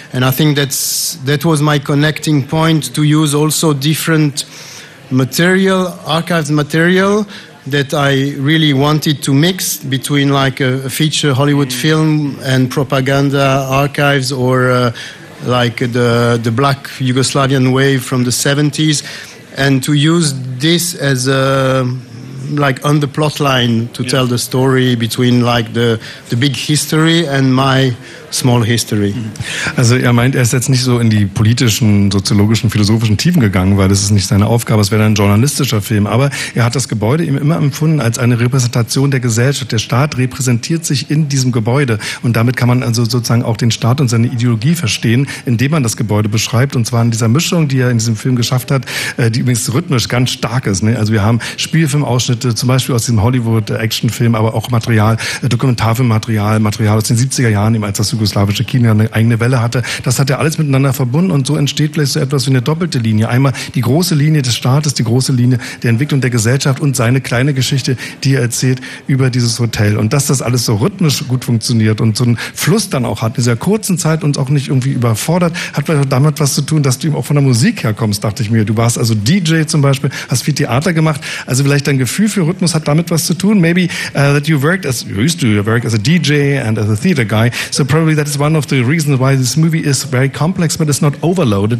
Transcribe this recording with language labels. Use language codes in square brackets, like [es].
[en] And I think that was my connecting point, to use also different material, archives material, that I really wanted to mix between like a feature Hollywood film and propaganda archives, or like the black Yugoslavian wave from the 70s, and to use this as a like on the plot line to tell the story between like the big history and my small history. [de] Also er meint, er ist jetzt nicht so in die politischen, soziologischen, philosophischen Tiefen gegangen, weil das ist nicht seine Aufgabe, es wäre ein journalistischer Film, aber er hat das Gebäude ihm immer empfunden als eine Repräsentation der Gesellschaft. Der Staat repräsentiert sich in diesem Gebäude, und damit kann man also sozusagen auch den Staat und seine Ideologie verstehen, indem man das Gebäude beschreibt, und zwar in dieser Mischung, die er in diesem Film geschafft hat, die übrigens rhythmisch ganz stark ist. Ne? Also wir haben Spielfilmausschnitte zum Beispiel aus diesem Hollywood-Actionfilm, aber auch Material, Dokumentarfilmmaterial, Material aus den 70er Jahren, eben als das jugoslawische Kino eine eigene Welle hatte. Das hat er alles miteinander verbunden, und so entsteht vielleicht so etwas wie eine doppelte Linie. Einmal die große Linie des Staates, die große Linie der Entwicklung der Gesellschaft und seine kleine Geschichte, die er erzählt über dieses Hotel. Und dass das alles so rhythmisch gut funktioniert und so einen Fluss dann auch hat, in dieser kurzen Zeit uns auch nicht irgendwie überfordert, hat vielleicht auch damit was zu tun, dass du eben auch von der Musik herkommst, dachte ich mir. Du warst also DJ zum Beispiel, hast viel Theater gemacht. Also vielleicht dein Gefühl für Rhythmus hat damit was zu tun. [en] Maybe that you worked as, you used to work as a DJ and as a theater guy. So probably that is one of the reasons why this movie is very complex, but it's not overloaded.